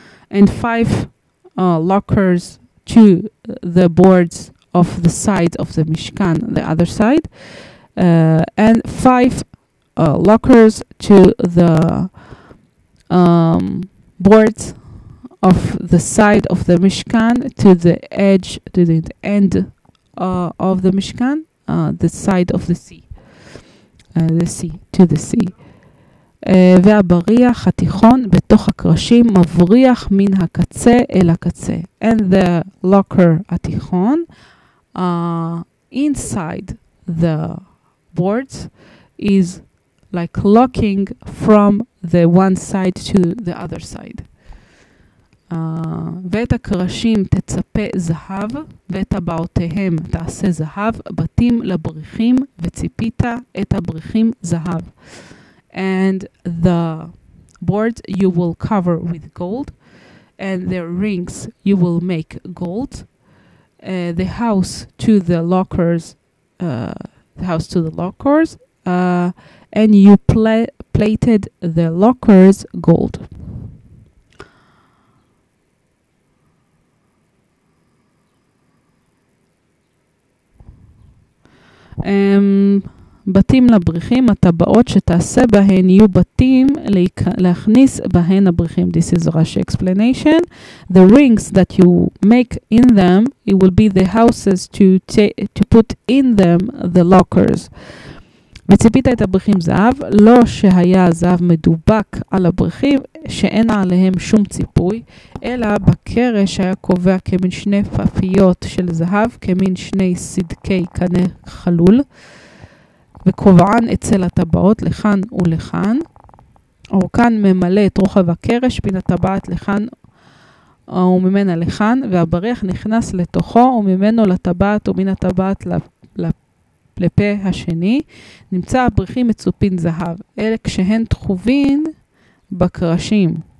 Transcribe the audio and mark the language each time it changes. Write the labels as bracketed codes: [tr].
[en] And five lockers to the boards of the side of the Mishkan, the other side, and five lockers to the boards of the side of the Mishkan, to the edge, to the end of the Mishkan, the side of the sea, to the sea. [he] והבריח התיכון בתוך הקרשים מבריח מן הקצה אל הקצה. [en] And the locker התיכון, inside the boards, is like locking from the one side to the other side. [he] ואת הקרשים תצפה זהב, ואת הבעותיהם תעשה זהב, בתים לבריחים וציפית את הבריחים זהב. [en] And the boards you will cover with gold, and their rings you will make gold. The house to the lockers, and you plated the lockers gold. [he] בתים לבריחים, הטבעות שתעשה בהן יהיו בתים להכניס בהן הבריחים. [en] This is Rashi explanation. The rings that you make in them, it will be the houses to put in them the lockers. [he] וציפית את הברכים זהב, לא שהיה זהב מדובק על הברכים, שאין עליהם שום ציפוי, אלא בקרש היה קובע כמין שני פפיות של זהב, כמין שני סדקי קנה חלול, וקובען אצל הטבעות לכאן ולכאן, אורכן ממלא את רוחב הקרש, פין הטבעת לכאן וממנה לכאן, והבריח נכנס לתוכו וממנו לטבעת ומן הטבעת לפה השני, נמצא הברכים מצופין זהב, אלה כשהן תחובין בקרשים.